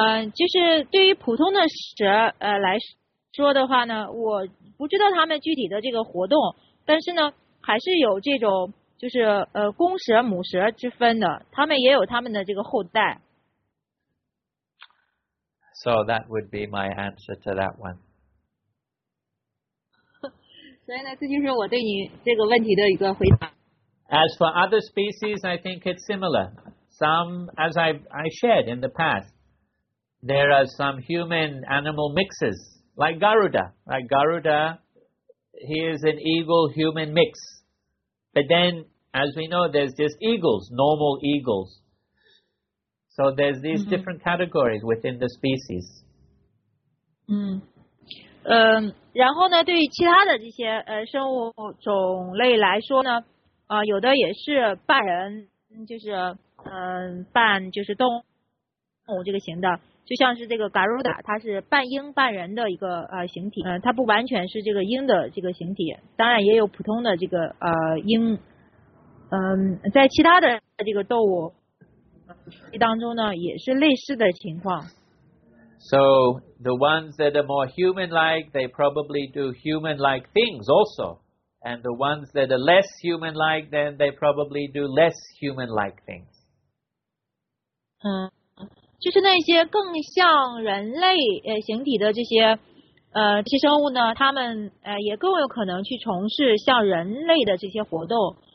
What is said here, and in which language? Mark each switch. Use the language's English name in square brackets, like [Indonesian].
[Chinese] 就是对于普通的蛇来说的话呢，我不知道他们具体的这个活动，但是呢，还是有这种就是公蛇母蛇之分的，他们也有他们的这个后代。 [English] So that would be my answer to that one. [Chinese] 所以呢，这就是我对你这个问题的一个回答。 [English] As for other species, I think it's similar. Some, as I shared in the past, there are some human-animal mixes, like Garuda. Like Garuda, he is an eagle-human mix. But then, as we know, there's just eagles, normal eagles. So there's these different categories within the species. [Chinese] 然后呢，对于其他的这些生物种类来说呢，有的也是半人，就是半就是动物这个型的，就像是这个 Garuda， 它是半鹰半人的一个形体，它不完全是这个鹰的这个形体，当然也有普通的这个鹰，在其他的这个动物。当中呢也是类似的情况。 [English] So the ones that are more human-like, they probably do human-like things also. And the ones that are less human-like, then they probably do less human-like things. [Chinese] 就是那些更像人类形体的这些生物呢，他们也更有可能去从事像人类的这些活动。